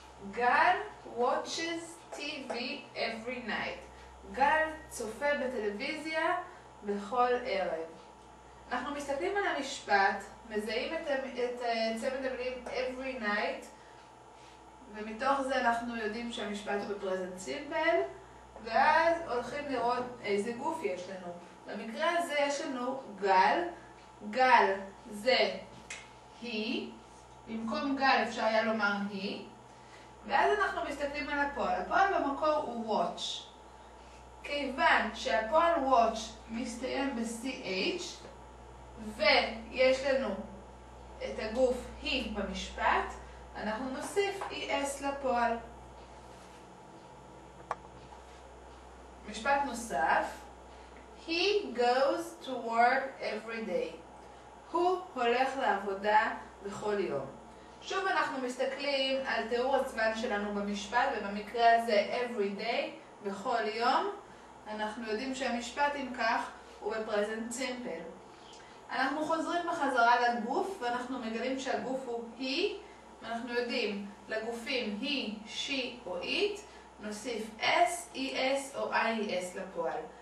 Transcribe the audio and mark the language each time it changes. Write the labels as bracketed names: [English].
[English] גל watches TV every night. [Hebrew] גל צופה בטלוויזיה בכל ערב. אנחנו מסתכלים על המשפט, מזהים את צמד המילים [English] every night, [Hebrew] ומתוך זה אנחנו יודעים שהמשפט הוא בפרזנט סימפל. ואז הולכים לראות איזה גוף יש לנו. במקרה הזה יש לנו גל. גל זה היא. במקום גל אפשר היה לומר היא. ואז אנחנו מסתכלים על הפועל. הפועל במקור הוא watch. כיוון שהפועל watch מסתיים ב-CH, ויש לנו את הגוף היא במשפט, אנחנו נוסיף ES לפועל. משפט נוסף, [English] he goes to work every day. [Hebrew] הוא הולך לעבודה בכל יום. שוב אנחנו מסתכלים על תיאור הזמן שלנו במשפט, ובמקרה הזה [English] every day, [Hebrew] בכל יום. אנחנו יודעים שהמשפט אם כך הוא בפרזנט סימפל. אנחנו חוזרים בחזרה לגוף, ואנחנו מגלים שהגוף הוא he, ואנחנו יודעים לגופים he, she או it, נוסיף S, ES או IES לפועל.